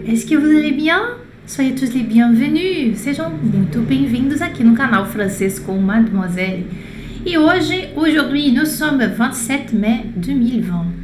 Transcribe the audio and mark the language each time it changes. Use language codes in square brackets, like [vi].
[fr] Est-ce que vous allez bien? Soyez tous les bienvenus! [pt] Sejam muito bem-vindos aqui no canal francês com Mademoiselle. E hoje, [fr] aujourd'hui, nous sommes 27 mai 2020.